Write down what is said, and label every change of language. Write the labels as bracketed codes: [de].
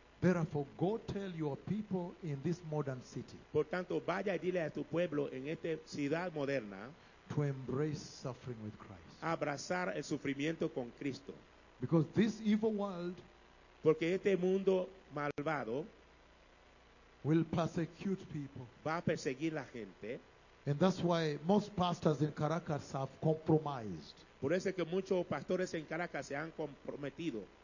[en] therefore go tell your people in this modern city, [es] por tanto, vaya y dile a tu pueblo en esta ciudad moderna, [en] to embrace suffering with Christ. [es] Abrazar el sufrimiento con Cristo. [en] Because this evil world, [es] porque este mundo malvado, [en] will persecute people. [es] Va a perseguir la gente. [en] And that's why most pastors in Caracas have compromised. [es] Por eso es que muchos pastores en Caracas se han comprometido.